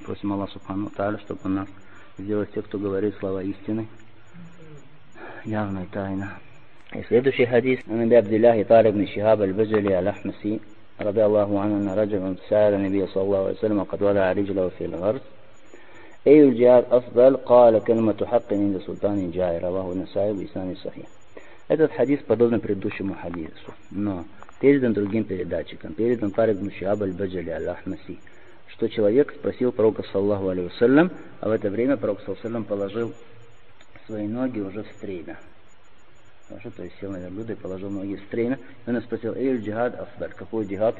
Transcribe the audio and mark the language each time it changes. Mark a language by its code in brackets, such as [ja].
[ru] Просим Аллах субхану тааля, чтобы он нас сделал тех, кто говорит слова истины. Явная тайна. И следующий хадис. [ar] Анаби Абдиллахи Талиб ибн Шихаб аль-Баджали аль-Ахмаси ради Аллаху анна раджалан саля Набия саллаху алейхи ва саллям акад вада риджлаху фил арз. أي الجهاد أفضل؟ قال كلمة حق عند سلطان جائر رواه النسائي بإسناد صحيح. [ru] Этот хадис подобен предыдущему хадису, но передан другим передатчиком, передан Тариб ибн Шихаб аль-Баджали аль-Ахмаси, что человек спросил пророка саллаллаху алейхи ва саллям, а в это время пророк саллаллаху алейхи ва саллям положил свои ноги уже в стремя. Хорошо, то есть сел на верблюда и положил ноги в стремя. И он спросил: [ar] «Эй, джихад афдаль?» [ru] Какой джихад?